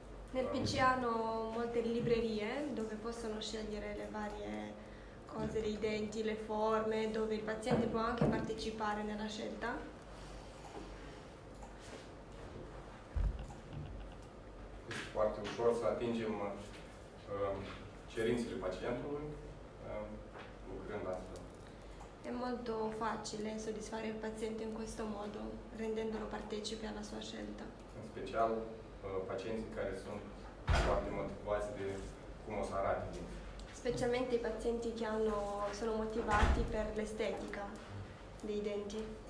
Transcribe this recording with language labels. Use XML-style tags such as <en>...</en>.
<it>Nel PC hanno molte librerie dove possono scegliere le varie cose, dei denti, le forme, dove il paziente può anche partecipare nella scelta.</it> <ro>E foarte ușor să atingem cerințele pacientului lucrând astfel.</ro> <it>È molto facile soddisfare il paziente in questo modo, rendendolo partecipe alla sua scelta. In speciale pazienti che sono molto motivati di come si arrati. Specialmente i pazienti che sono motivati per l'estetica dei denti.</it>